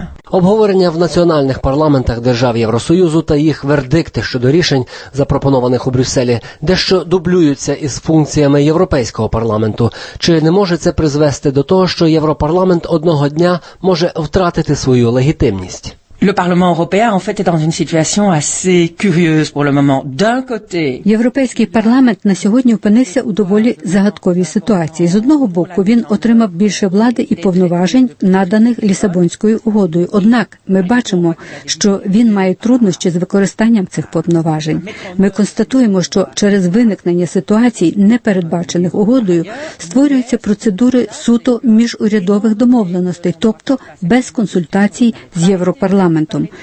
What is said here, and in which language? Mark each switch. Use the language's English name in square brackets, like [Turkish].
[Ukrainian] Обговорення в національних парламентах держав Євросоюзу та їх вердикти щодо рішень, запропонованих у Брюсселі, дещо дублюються із функціями Європейського парламенту. Чи не може це призвести до того, що Європарламент одного дня може втратити свою легітимність? [French] Le Parlement européen en fait est dans une situation assez curieuse pour le moment. D'un côté, [Ukrainian] Європейський парламент на сьогодні опинився у доволі загадковій ситуації. З одного боку, він отримав більше влади і повноважень, наданих Лісабонською угодою. Однак, ми бачимо, що він має труднощі з використанням цих повноважень. Ми констатуємо, що через виникнення ситуацій, не передбачених угодою, створюються процедури суто міжурядових домовленостей, тобто без консультацій з Європарламентом.